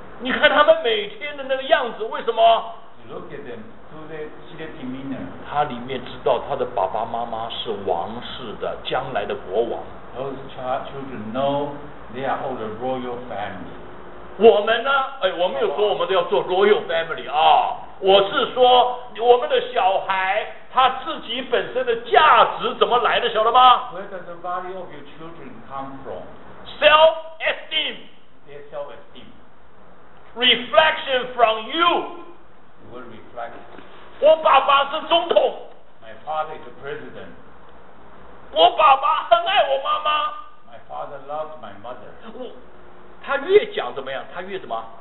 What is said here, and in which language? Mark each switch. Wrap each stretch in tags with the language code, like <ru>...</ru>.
<zh>你看他们每天的那个样子，为什么？</zh> <en>Look at them, do they see their demeanor?</en> <zh>他他里面知道他的爸爸妈妈是王室的，将来的国王。</zh> <en>Those children know they are all the royal family.</en> <zh>我们呢？哎，我没有说我们都要做</zh> <en>royal family</en> <zh>啊。我是说我们的小孩他自己本身的价值怎么来的，晓得吗？</zh> <en>Where does the value of your children come from? Self-esteem. Their self-esteem. Reflection from you. You will reflect.</en> <zh>我爸爸是总统。</zh> <en>My father is the president.</en> <zh>我爸爸很爱我妈妈。</zh> <en>My father loves my mother.</en> <zh>他越讲怎么样？他越怎么？</zh>